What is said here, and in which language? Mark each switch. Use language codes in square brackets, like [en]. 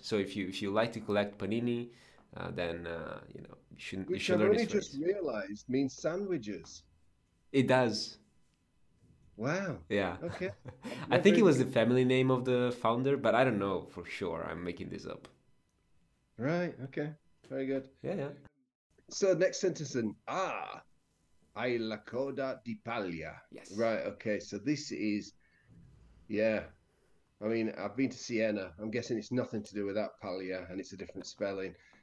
[en] So if you like to collect panini, then you know, you should learn this phrase. Which I've only just realized means sandwiches. It does. Wow. Yeah. Okay. I think it was the family name of the founder, but I don't know for sure. I'm making this up. Right, okay, very good. Yeah. So next sentence, [it] hai la coda di paglia. [en] Yes. Right, okay, so this is, yeah, I mean, I've been to Siena. I'm guessing it's nothing to do with that paglia, and it's a different spelling.